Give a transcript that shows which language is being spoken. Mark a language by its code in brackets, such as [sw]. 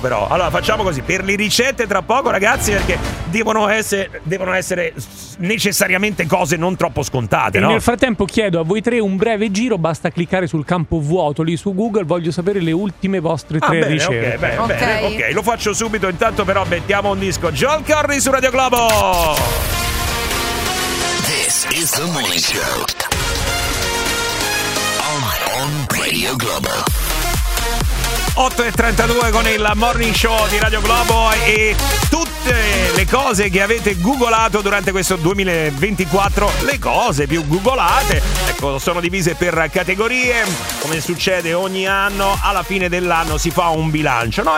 [it] Allora facciamo così, per le ricette tra poco, ragazzi, perché devono essere necessariamente cose non troppo scontate, e no? Nel frattempo chiedo a voi tre un breve giro, basta cliccare sul campo vuoto lì su Google, voglio sapere le ultime vostre tre ricette. Okay, lo faccio subito, intanto però mettiamo un disco. John Curry su Radio Globo. [en] This is the Morning Show on Radio Globo. [it] 8:32 con il Morning Show di Radio Globo e tutto tutte le cose che avete googolato durante questo 2024, le cose più googolate, ecco, sono divise per categorie, come succede ogni anno, alla fine dell'anno si fa un bilancio, no?